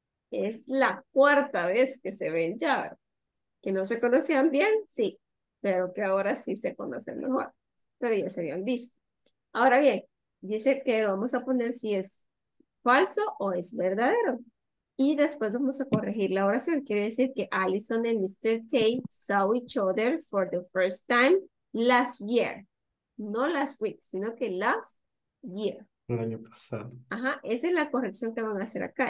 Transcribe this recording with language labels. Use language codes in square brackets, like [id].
[es] Es la cuarta vez que se ven ya. Que no se conocían bien, sí. Pero que ahora sí se conocen mejor. Pero ya se habían visto. Ahora bien, dice que vamos a poner si es falso o es verdadero. Y después vamos a corregir la oración. Quiere decir que Allison and Mr. [en] Tate saw each other for the first time last year. No last week, [es] sino que [en] last year. [es] El año pasado. Ajá, esa es la corrección que van a hacer acá.